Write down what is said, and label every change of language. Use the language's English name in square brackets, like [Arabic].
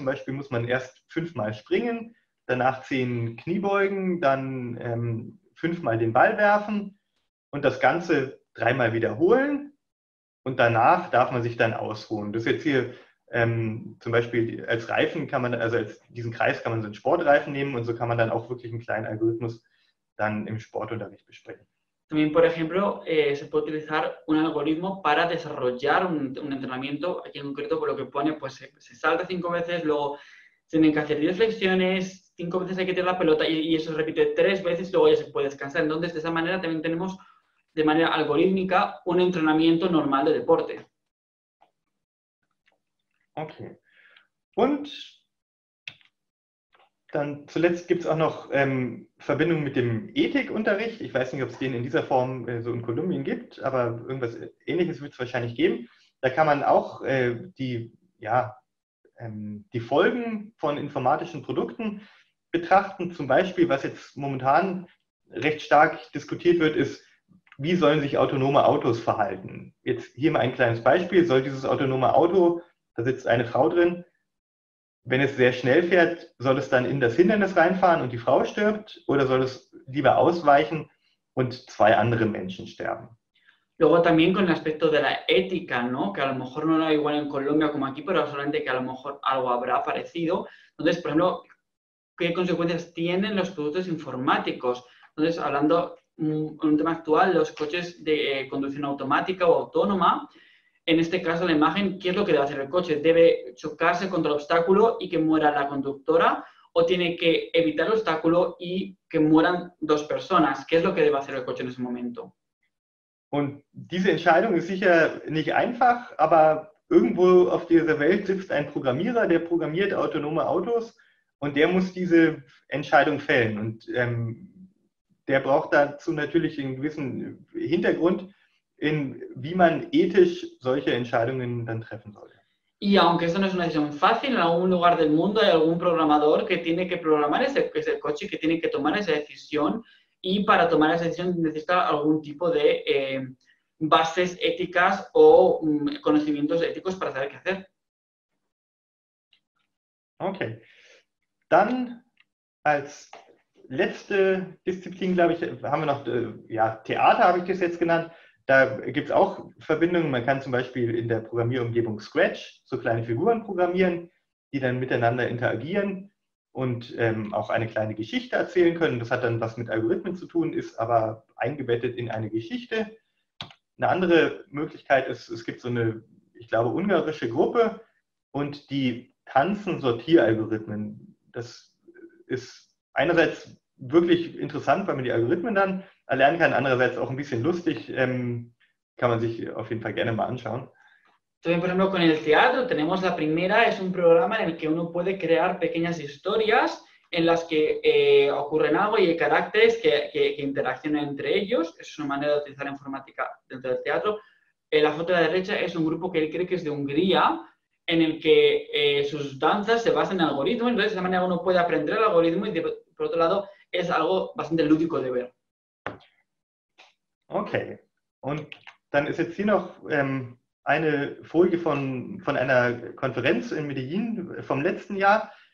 [German] Zum Beispiel muss man erst 5-mal springen, danach 10 Kniebeugen, dann 5-mal den Ball werfen und das Ganze 3-mal wiederholen. Und danach darf man sich dann ausruhen. Das ist jetzt hier zum Beispiel als Reifen kann man, also als diesen Kreis kann man so einen Sportreifen nehmen und so kann man dann auch wirklich einen kleinen Algorithmus dann im Sportunterricht besprechen. [Spanish] También, por ejemplo, se puede utilizar un algoritmo para desarrollar un entrenamiento, aquí en concreto, por lo que pone, pues se salta 5 veces, luego tienen que hacer 10 flexiones, 5 veces hay que tirar la pelota y eso se repite 3 veces, luego ya se puede descansar. Entonces, de esa manera también tenemos, de manera algorítmica, un entrenamiento normal de deporte. Ok. [German] Und dann zuletzt gibt es auch noch Verbindung mit dem Ethikunterricht. Ich weiß nicht, ob es den in dieser Form so in Kolumbien gibt, aber irgendwas Ähnliches wird es wahrscheinlich geben. Da kann man auch die Folgen von informatischen Produkten betrachten. Zum Beispiel, was jetzt momentan recht stark diskutiert wird, ist, wie sollen sich autonome Autos verhalten? Jetzt hier mal ein kleines Beispiel. Soll dieses autonome Auto, da sitzt eine Frau drin, wenn es sehr schnell fährt, soll es dann in das Hindernis reinfahren und die Frau stirbt oder soll es lieber ausweichen und 2 andere Menschen sterben? [Spanish] Luego también con el aspecto de la ética, ¿no? Que a lo mejor no era igual en Colombia como aquí, pero solamente que a lo mejor algo habrá parecido. Entonces, por ejemplo, ¿qué consecuencias tienen los productos informáticos? Entonces, hablando en un tema actual, los coches de conducción automática o autónoma, en este caso, la imagen, ¿qué es lo que debe hacer el coche? ¿Debe chocarse contra el obstáculo y que muera la conductora? ¿O tiene que evitar el obstáculo y que mueran 2 personas? ¿Qué es lo que debe hacer el coche en ese momento? [German] Und diese Entscheidung ist sicher nicht einfach, aber irgendwo auf dieser Welt sitzt ein Programmierer, der programmiert autonome Autos und der muss diese Entscheidung fällen. Und der braucht dazu natürlich einen gewissen Hintergrund, in wie man ethisch solche Entscheidungen dann treffen sollte. [Spanish] Y aunque eso no es una decisión fácil, en algún lugar del mundo hay algún programador que tiene que programar ese coche, que tiene que tomar esa decisión, y para tomar esa decisión necesita algún tipo de bases éticas o conocimientos éticos para saber qué hacer. Ok. [German] Dann als letzte Disziplin, glaube ich, haben wir noch, Theater habe ich das jetzt genannt, Da gibt es auch Verbindungen. Man kann zum Beispiel in der Programmierumgebung Scratch so kleine Figuren programmieren, die dann miteinander interagieren und auch eine kleine Geschichte erzählen können. Das hat dann was mit Algorithmen zu tun, ist aber eingebettet in eine Geschichte. Eine andere Möglichkeit ist, es gibt so eine, ich glaube, ungarische Gruppe und die tanzen Sortieralgorithmen. Das ist einerseits wirklich interessant, weil man die Algorithmen dann erlernen kann, andererseits auch ein bisschen lustig, kann man sich auf jeden Fall gerne mal anschauen. [Spanish] También, por ejemplo, con el teatro tenemos la primera, es un programa en el que uno puede crear pequeñas historias en las que ocurren algo y hay caracteres que interaccionan entre ellos. Es una manera de utilizar informática dentro del teatro. La foto de la derecha es un grupo que él cree que es de Hungría, en el que sus danzas se basan en algoritmos. Entonces, de esa manera uno puede aprender el algoritmo y, por otro lado, es algo bastante lúdico de ver. Ok. [German] Und dann ist jetzt hier noch eine Folie von einer Konferenz in Medellin vom letzten Jahr.